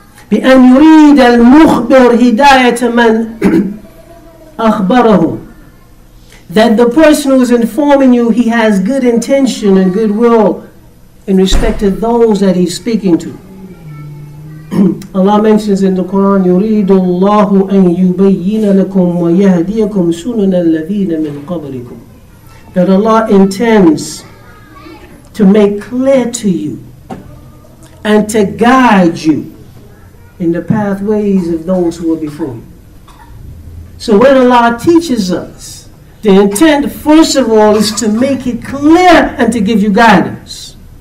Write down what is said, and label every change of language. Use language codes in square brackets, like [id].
[ar] بِأَنْ يُرِيدَ الْمُخْبِرُ هِدَايَةَ مَنْ أَخْبَرَهُ. [en] That the person who is informing you, he has good intention and good will in respect to those that he's speaking to. Allah mentions in the Quran, [ar] يُرِيدُ اللَّهُ أَن يُبَيِّنَ لَكُمْ وَيَهْدِيَكُمْ سُنَنَ الَّذِينَ مِنْ قَبْلِكُمْ. [en] That Allah intends to make clear to you and to guide you in the pathways of those who were before you. So when Allah teaches us, the intent, first of all, is to make it clear and to give you guidance.